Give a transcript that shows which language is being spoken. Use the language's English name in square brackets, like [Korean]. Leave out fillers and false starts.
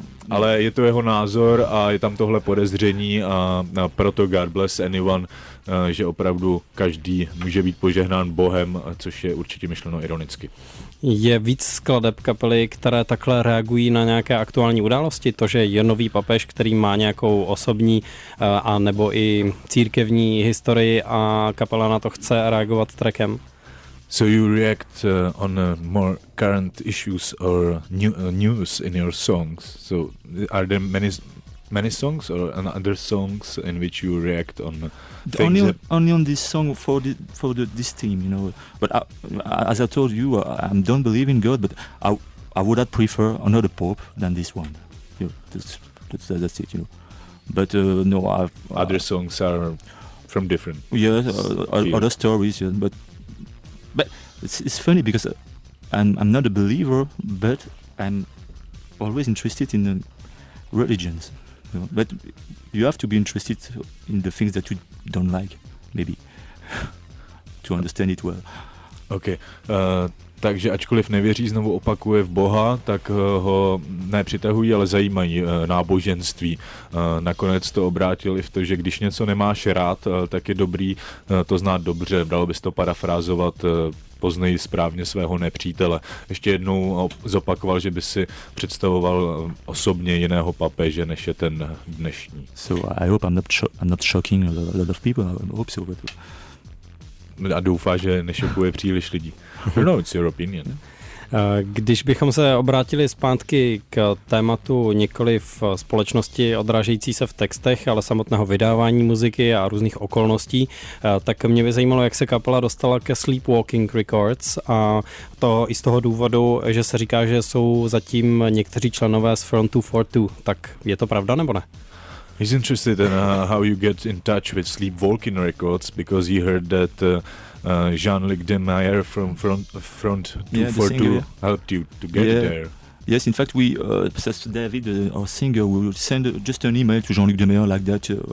[Czech] Ale je to jeho názor a je tam tohle podezření a proto God Bless Anyone, že opravdu každý může být požehnán Bohem, což je určitě myšleno ironicky. Je víc skladeb kapely, které takhle reagují na nějaké aktuální události, to, že je nový papež, který má nějakou osobní a nebo i církevní historii a kapela na to chce reagovat trackem. [English] So you react on more current issues or news in your songs. So are there many songs or other songs in which you react on the only on this song for this team, you know. But as I told you, I don't believe in God, but I would have preferred another pope than this one. You know, that's it, you know. But no, other songs are from different. Yes, other stories, yeah, but it's funny because I'm not a believer, but I'm always interested in religions. You know, but you have to be interested in the things that you don't like, maybe, to understand it well. [Czech] Okay, takže ačkoliv nevěří, znovu opakuje, v Boha, tak ho nepřitahují, ale zajímají náboženství. Nakonec to obrátil i v to, že když něco nemáš rád, tak je dobrý to znát dobře. Dalo bys to parafrázovat, poznej správně svého nepřítele. Ještě jednou zopakoval, že by si představoval osobně jiného papeže, než je ten dnešní. [English] So I hope I'm not shocking a lot of people. I hope so, but... [Czech] A doufá, že nešokuje příliš lidí. [English] No, it's your opinion. [Czech] Když bychom se obrátili zpátky k tématu nikoli v společnosti odrážející se v textech, ale samotného vydávání muziky a různých okolností, tak mě by zajímalo, jak se kapela dostala ke Sleepwalking Records, a to i z toho důvodu, že se říká, že jsou zatím někteří členové z Frontu 42. Tak je to pravda nebo ne? [English] He's interested in how you get in touch with Sleepwalking Records, because he heard that Jean-Luc Demeyer from Front 242 helped you to get there. Yes, in fact, says to David, our singer, we will send just an email to Jean-Luc Demeyer like that.